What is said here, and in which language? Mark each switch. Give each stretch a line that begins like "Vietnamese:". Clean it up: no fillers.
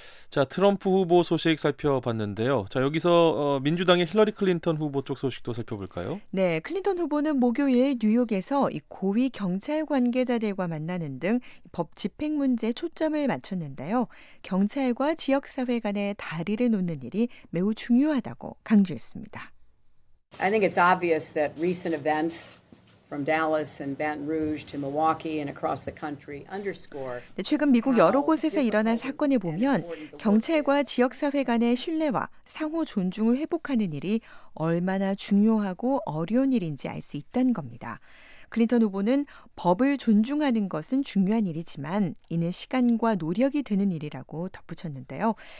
Korean: 자, 트럼프 후보 소식 살펴봤는데요. 자, 여기서 민주당의 힐러리 클린턴 후보 쪽 소식도 살펴볼까요? 네, 클린턴 후보는 목요일 뉴욕에서 이 고위 경찰 관계자들과 만나는 등 법 집행 문제에 초점을 맞췄는데요. 경찰과 지역사회 간의 다리를 놓는 일이 매우 중요하다고 강조했습니다.
English: I think it's obvious that recent events from Dallas and Baton Rouge to Milwaukee and across the country underscore.
Korean: 최근 미국 여러 곳에서 일어난 사건을 보면 경찰과 지역 사회 간의 신뢰와 상호 존중을 회복하는 일이 얼마나 중요하고 어려운 일인지 알 수 있다는 겁니다. 클린턴 후보는 법을 존중하는 것은 중요한 일이지만 이는 시간과 노력이 드는 일이라고 덧붙였는데요.